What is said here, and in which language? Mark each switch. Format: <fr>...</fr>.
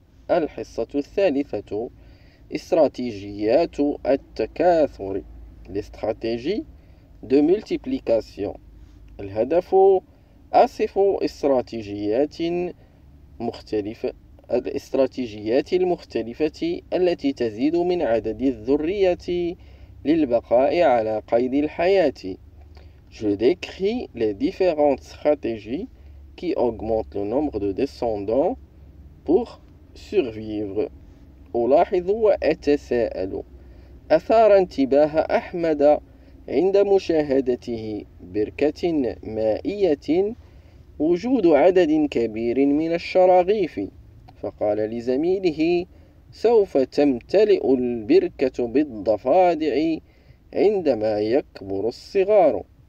<ar>الحصة الثالثة، استراتيجيات التكاثر، الاستراتيجي دو ملتيبليكاسيون، الهدف أصف استراتيجيات مختلفة الاستراتيجيات المختلفة التي تزيد من عدد الذرية للبقاء على قيد الحياة.</ar> <fr>Je décris les différentes stratégies qui augmentent le nombre de descendants pour survivre.</fr> <ar>ألاحظ وأتساءل. أثار انتباه أحمد عند مشاهدته بركة مائية وجود عدد كبير من الشراغيف، فقال لزميله: سوف تمتلئ البركة بالضفادع عندما يكبر الصغار.</ar>